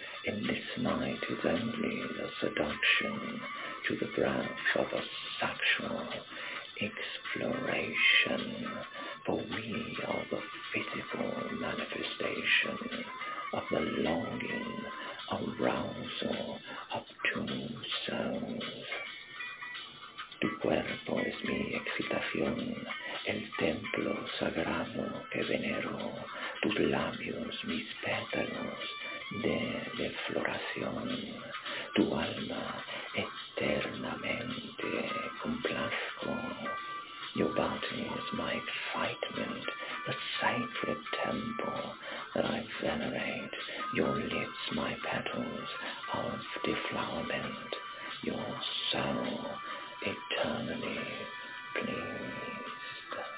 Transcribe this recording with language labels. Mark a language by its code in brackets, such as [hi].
[en] In this night is only the seduction to the breath of a sexual exploration, for we are the physical manifestation of the longing arousal of two souls. [es] Tu cuerpo es mi excitación, el templo sagrado que venero, tus labios mis pétalos de floración, tu alma eternamente complazco. [en] Your body is my excitement, the sacred temple that I venerate. Your lips, my petals of deflowerment. Your soul, eternally pleased.